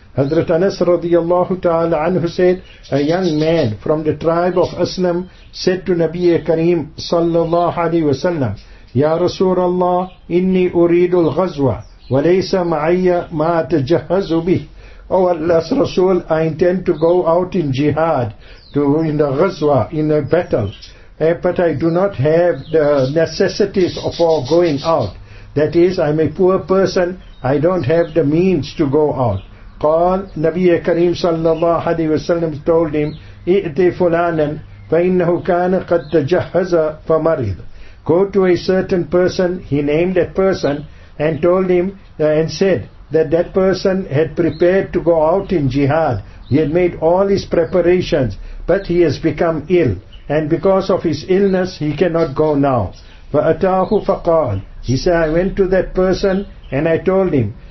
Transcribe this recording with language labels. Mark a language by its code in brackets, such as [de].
[en] Hazrat Anas radiyallahu ta'ala anhu said, a young man from the tribe of Aslam said to Nabiya Kareem sallallahu alayhi wa sallam, Ya Rasulallah, [ar] inni uridu al-ghazwa, wa laysa ma'ayya ma tajahhazu bih. [en] O Allah's Rasul, I intend to go out in jihad, in the ghazwa, in a battle, but I do not have the necessities for going out. That is, I'm a poor person, I don't have the means to go out. [ar] قال نبي كريم صلى الله عليه وسلم [en] told him, [ar] ائتي فلانا فإنه كان قد تجهز فمريض. [en] Go to a certain person, he named that person and told him and said that that person had prepared to go out in jihad. He had made all his preparations, but he has become ill, and because of his illness he cannot go now. [ar] فأتاه فقال, [en] he said, I went to that person and I told him,